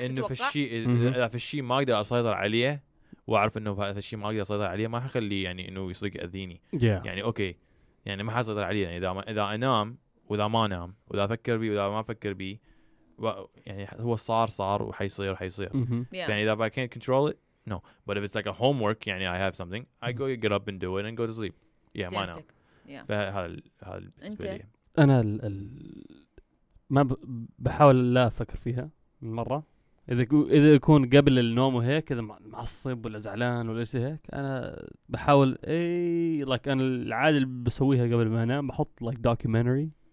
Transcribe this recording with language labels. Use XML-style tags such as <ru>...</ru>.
<ar>انه في الشيء اذا في الشيء ما اقدر اسيطر عليه وأعرف إنه هذا الشيء ما أقدر أسيطر عليه ما حخلي يعني إنه يصدق أذيني yeah. يعني أوكي يعني ما حسيطر عليه يعني إذا أنام وإذا ما أنام وإذا أفكر بي وإذا ما أفكر بي يعني هو صار وحيصير حيصير mm-hmm. يعني إذا</ar> <en>I can't control it no but if it's like a homework يعني I have something I go get up and do it and go to sleep yeah</en> <ar>ما أنام yeah. فهذا بالنسبة لي أنا ما بحاول لا أفكر فيها مرة إذا يكون قبل النوم وهيك إذا معصب ولا زعلان ولا شيء هيك أنا بحاول أي like أنا العادة اللي بسويها قبل ما أنام بحط like documentary</ar>